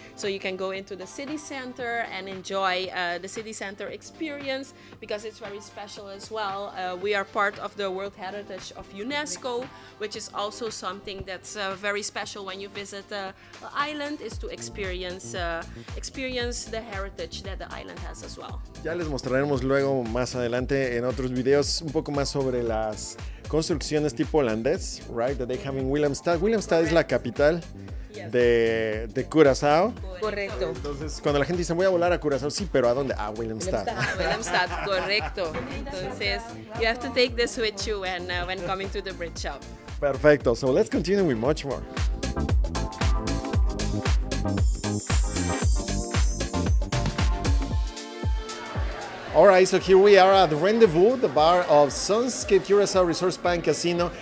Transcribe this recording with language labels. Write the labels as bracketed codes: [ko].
[en] So you can go into the city center and enjoy the city center experience because it's very special as well. We are part of the World Heritage of UNESCO, which is also something that's very special when you visit an island, is to experience the heritage that the island has as well. [es] Ya les mostraré. Veremos luego más adelante en otros videos un poco más sobre las construcciones tipo holandés, right? [en] That they have in Willemstad. [es] Willemstad es la capital de Curazao. Correcto. Entonces, cuando la gente dice voy a volar a Curazao, sí, pero ¿a dónde? A Willemstad. Willemstad, correcto. [en] Entonces, you have to take this with you when coming to the bridge shop. Perfecto. So let's continue with much more. All right, so here we are at the Rendezvous, the bar of Sunscape Curacao Resort Spa and Casino.